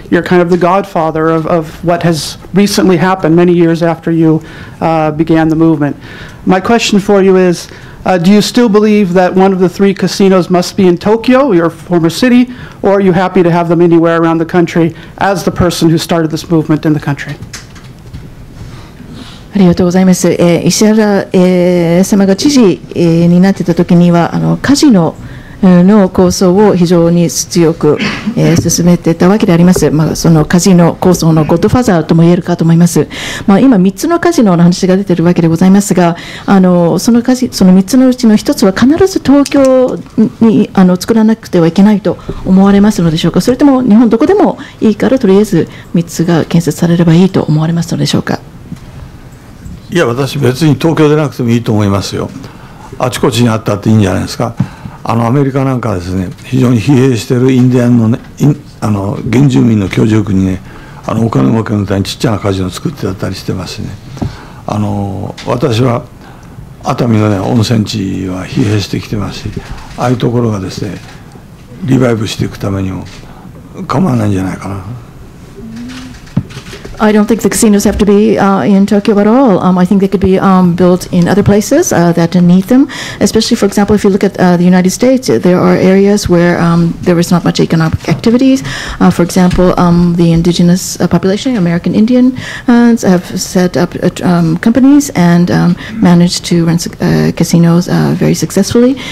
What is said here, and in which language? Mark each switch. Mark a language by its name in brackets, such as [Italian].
[English] You're kind of the godfather of what has recently happened many years after you began the movement. My question for you is, do you still believe that one of the three casinos must be in Tokyo, your former city, or are you happy to have them anywhere around the country as the person who started this movement in the country? [Japanese] ありがとうございます。石原、様が知事、になってた時にはカジノの構想を非常に強く、進めてたわけであります。まあ、そのカジノ構想のゴッドファザーとも言えるかと思います。まあ、今3つのカジノの話が出ているわけでございますが、その3つのうちの1つは必ず東京に作らなくてはいけないと思われますのでしょうか。それとも日本どこでもいいからとりあえず3つが建設されればいいと思われますのでしょうか。いや、私別に東京でなくてもいいと思いますよ。あちこちにあったっていいんじゃないですか。アメリカなんかですね、非常に疲弊しているインディアンの、原住民の居住区にね、お金儲けのためにちっちゃなカジノを作ってたりしてますね。私は熱海の、ね、温泉地は疲弊してきてますし、ああいうところがですねリバイブしていくためにも構わないんじゃないかな。 [English] I don't think the casinos have to be in Tokyo at all. I think they could be built in other places that need them. Especially, for example, if you look at the United States, there are areas where there is not much economic activities. For example, the indigenous population, American Indians, have set up companies and managed to run casinos very successfully.